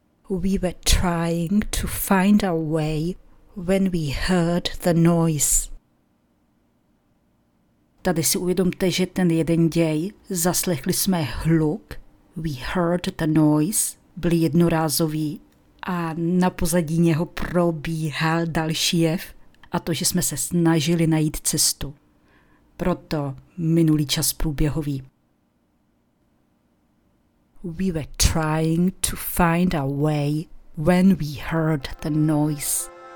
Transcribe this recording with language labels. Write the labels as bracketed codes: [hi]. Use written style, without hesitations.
[en] We were trying to find our way when we heard the noise. [cs] Tady si uvědomte, že ten jeden děj, zaslechli jsme hluk, [en] we heard the noise, [cs] byl jednorázový a na pozadí něho probíhal další jev a to, že jsme se snažili najít cestu. Proto minulý čas průběhový. [en] We were trying to find our way when we heard the noise.